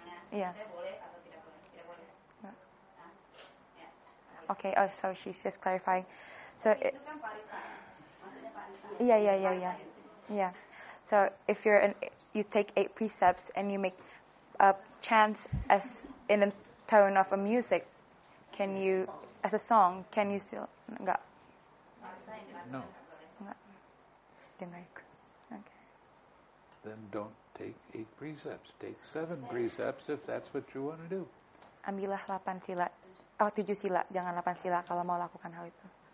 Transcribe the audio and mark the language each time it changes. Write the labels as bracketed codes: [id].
[id] Ya, saya boleh atau tidak boleh? Tidak boleh. [en] Okay, oh, so she's just clarifying. So [id] itu kan parita. Maksudnya parita. Iya. [en] So if you're you take 8 precepts and you make a chant as in the tone of a music, can you as a song, can you still enggak? No. [id] Enggak. [en] Then don't take 8 precepts. Take 7 precepts if that's what you want to do. [id] Ambillah 8 sila. Oh, 7 sila. Jangan 8 sila kalau mau lakukan hal itu.